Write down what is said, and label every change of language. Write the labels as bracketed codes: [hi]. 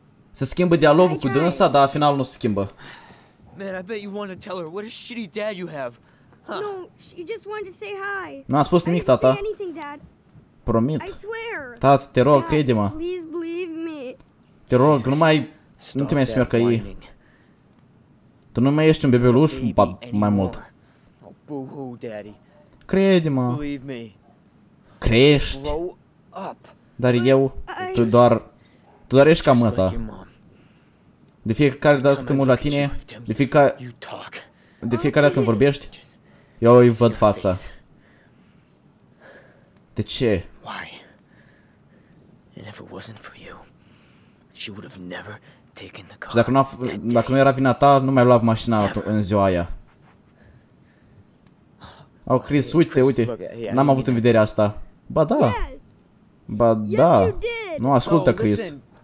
[ro] Se schimbă dialogul cu dânsa, dar finalul nu se schimbă. [en] Man, I bet you wanted to tell her what a shitty dad you have. Huh? No, she just wanted to say hi. [ro] N-a spus nimic, tata. [en] Anything, dad. [ro] Promit. [en] I swear. [ro] Tată, te rog, crede-mă. [en] Please believe me. [ro] Te rog, nu mai... Nu te mai smiorcă ei. Tu nu mai ești un bebeluș mai mult. [en] Boo-hoo, daddy. [ro] Crede-mă. [en] Believe me. [ro] Crești. Dar eu, tu doar ești ca mâta. De fiecare dată când mă la tine, de fiecare dată când vorbești, eu îi văd fața. De ce? [en] Why? And if it wasn't for you, she would have never [ro] Și dacă nu, dacă nu era vina ta, nu mai lua mașina în ziua aia. Oh, Chris, uite, uite, n-am avut în vedere asta. Ba da. Ba da. Nu, ascultă, Chris.